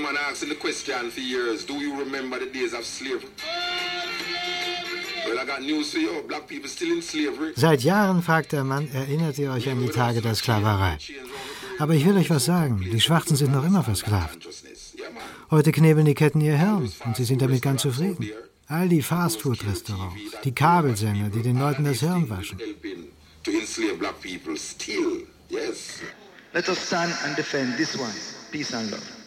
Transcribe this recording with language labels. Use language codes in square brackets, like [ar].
[en] Asking the question for years, do you remember the days of slavery? Well, I got news for you, black people still in slavery. [de] Seit Jahren fragt der Mann, erinnert ihr euch an die Tage der Sklaverei? Aber ich will euch was sagen, die Schwarzen sind noch immer versklavt. Heute knebeln die Ketten ihr Hirn und sie sind damit ganz zufrieden. All die Fastfood-Restaurants, die Kabelsender, die den Leuten das Hirn waschen. [en] Let us stand and defend this one, peace and love.